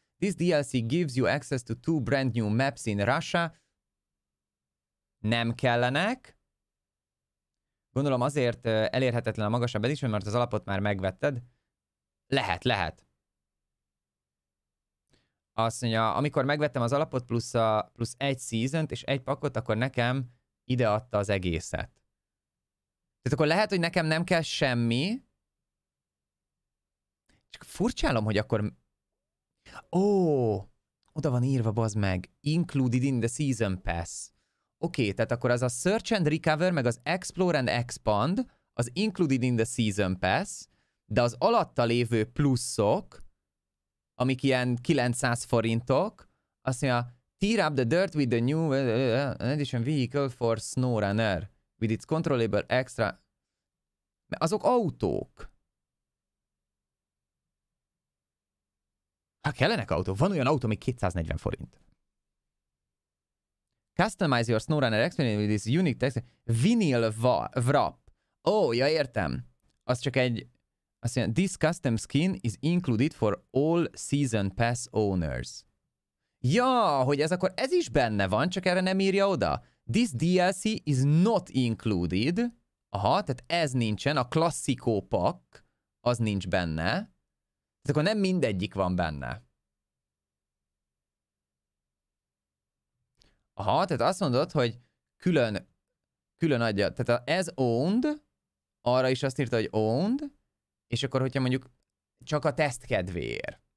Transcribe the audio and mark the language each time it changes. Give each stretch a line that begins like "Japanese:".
English: This DLC gives you access to two brand new maps in Russia.
Hungarian: Nem kellenek. Gondolom azért elérhetetlen a magasabb edition, mert az alapot már megvetted. Lehet, lehet. Azt mondja, amikor megvettem az alapot plusz egy season-t és egy pakot, akkor nekem ide adta az egészet. Tehát akkor lehet, hogy nekem nem kell semmi. Csak furcsálom, hogy akkor... Ó, oda van írva, bazd meg.
English: Included in the season pass.
Hungarian: Oké, tehát akkor az a search and recover, meg az explore and expand, az
English: included in the season pass,
Hungarian: de az alatta lévő pluszok, amik ilyen 900 forintok, azt mondja,
English: tear up the dirt with the new edition vehicle for SnowRunner. With its controllable extra...
Hungarian: Mert azok autók. Ha kellenek autók, van olyan autó, ami 240 forint.
English: Customize your SnowRunner experience with this unique text. Vinyl wrap. Ó, oh,
Hungarian: ja, értem. Az csak egy... Azt mondja,
English: this custom skin is included for all season pass owners.
Hungarian: Ja, hogy ez akkor ez is benne van, csak erre nem írja oda.
English: This DLC is not included.
Hungarian: Aha, tehát ez nincsen, a klasszikó pak, az nincs benne. Tehát akkor nem mindegyik van benne. Aha, tehát azt mondod, hogy külön adja, tehát az owned, arra is azt írta, hogy owned, és akkor, hogyha mondjuk csak a teszt kedvéért.